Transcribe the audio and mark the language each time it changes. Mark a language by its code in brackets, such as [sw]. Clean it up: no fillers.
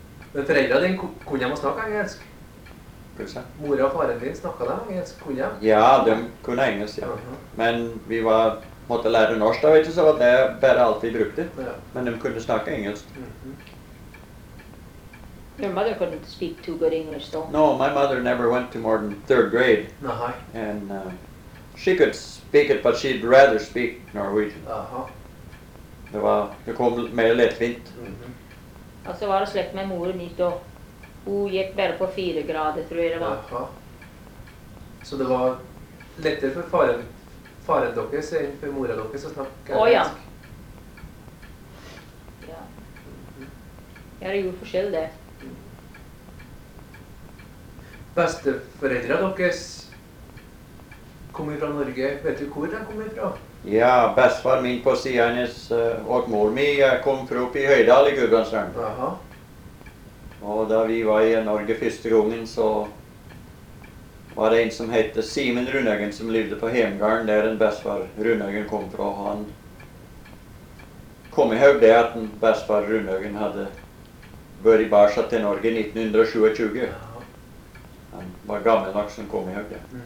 [no] Men foreldrene dine, kunne de snakke engelsk? Hvordan sa? Mora og faren din snakket de engelsk, kunne de? Ja, de kunne engelsk, ja. Uh-huh. Men vi var, måtte lære norsk, da, vet du, så var det bare alt vi brukte. Uh-huh. Men de kunne snakke engelsk. Uh-huh. [en] Your mother couldn't speak too good English, though. No, my mother never went to more than third grade. Uh-huh. And she could speak it, but she'd rather speak Norwegian. Aha. [no] Det kom mer lettvint. Mm-hmm. Og så var det slett med mor mitt, og hun gikk bare på 4 grader, tror jeg det var. Aha. Så det var lettere for faren faren deres eller for mora deres som snakker engelsk? Ja. Ja, det gjorde forskjell det. Besteforeldrene deres kommer fra Norge. Vet du hvor de kommer fra? Ja, bestfar min på Sianes og mor mi kom fra opp i Høydal i Gudbrandsdalen. Jaha. Og da vi var i Norge første gangen, så var det en som hette Simen Rundhagen som levde på Hemgarn, der en bestfar Rundhagen kom fra. Han kom ihåg det at en bestfar Rundhagen hadde vært i Barsa til Norge 1927. Jaha. Han var gammel nok som kom ihåg det.